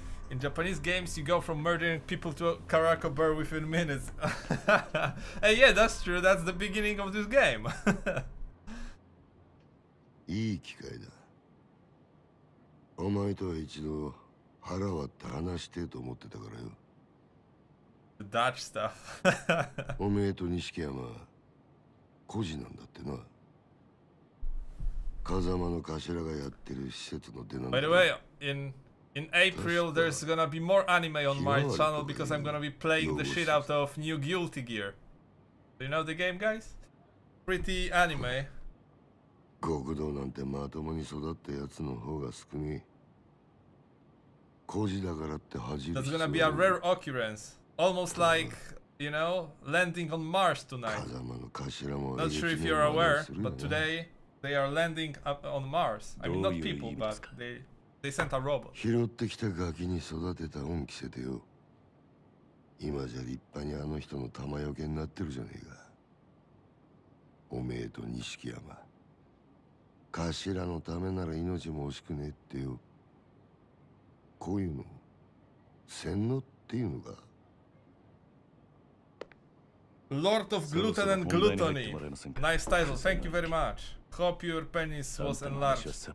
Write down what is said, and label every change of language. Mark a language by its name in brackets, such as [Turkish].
[English] In Japanese games, you go from murdering people to a Karako bear within minutes. Hey, yeah, that's true. That's the beginning of this game. [Japanese] いい機会だ. お前とは一度腹割って話してと思ってたからよ。 [English] The Dutch stuff. [Japanese] おめえと錦山孤児なんだってな。風間の頭がやってる施設の出なんだ。 [English] By the way, in April there's gonna be more anime on my channel because I'm gonna be playing the shit out of New Guilty Gear. You know the game, guys? Pretty anime. [Japanese] 極道なんてまともに育ったやつの方が少ない。孤児だからって恥じる。 [English] That's gonna be a rare occurrence. Almost like, you know, landing on Mars tonight. [Japanese] 風間の頭も。 [English] Not sure if you're aware, but today. They are landing up on Mars. I mean, not people, but they sent a robot. [Japanese] 拾ってきたガキに育てた恩着せてよ。今じゃ立派にあの人の玉よけになってるじゃねえか。おめえと錦山。頭のためなら命も惜しくねえってよ。こういうの、洗脳っていうのか。 [English] Lord of Gluten and Gluttony. Nice title. Thank you very much. Hope your penis was enlarged.